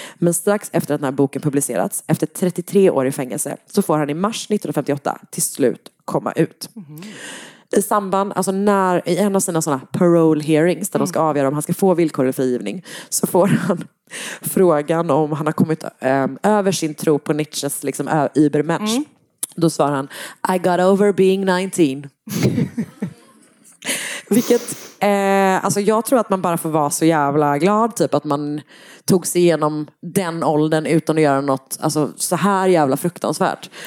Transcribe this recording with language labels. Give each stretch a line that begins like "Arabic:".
Swedish: Men strax efter att den här boken publicerats, efter 33 år i fängelse, så får han i mars 1958 till slut komma ut. Mm. I samband, alltså när, i en av sina sådana parole hearings där de ska avgöra om han ska få villkorlig frigivning, så får han frågan om han har kommit över sin tro på Nietzsches liksom Übermensch. Mm. Då svarar han,
English: I got over being 19.
Swedish: Vilket, alltså jag tror att man bara får vara så jävla glad typ att man tog sig igenom den åldern utan att göra något alltså så här jävla fruktansvärt.